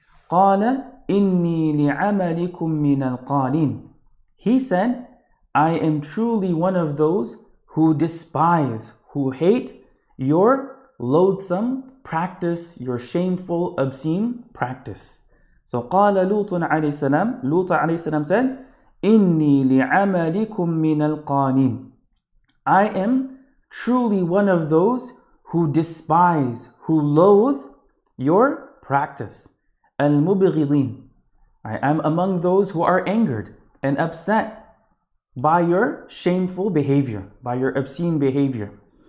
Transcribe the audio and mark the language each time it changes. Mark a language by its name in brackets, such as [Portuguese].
[Arabic] قَالَ إِنِّي لِعَمَلِكُمْ مِنَ الْقَالِينَ [English] He said, I am truly one of those who despise, who hate your loathsome practice, your shameful, obscene practice. So [Arabic] قَالَ لُوطٌ عَلَيْهِ السَّلَامُ لُوطَ عَلَيْهِ السَّلَامُ [English] said, [Arabic] إِنِّي لِعَمَلِكُمْ مِنَ الْقَالِينَ [English] I am truly one of those who despise, who loathe your practice. [Arabic] Al-Mubighidin. [English] I am among those who are angered and upset by your shameful behavior, by your obscene behavior.